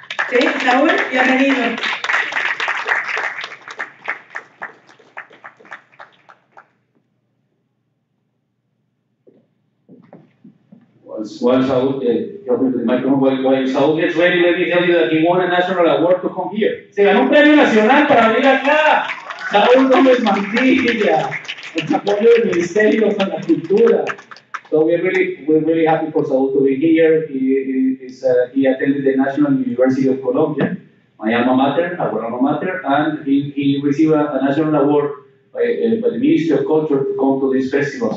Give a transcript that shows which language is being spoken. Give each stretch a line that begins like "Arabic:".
Spanish: Sí, Saúl, bienvenido.
English: While Saúl, Saúl gets ready, let me tell you that he won a national award to come here.
Spanish: Se ganó un premio nacional para venir acá. Saúl Gómez Mantilla.
English: So we're really happy for Saúl to be here. He attended the National University of Colombia, my alma mater, our alma mater, and he received a national award by the Ministry of Culture to come to this festival.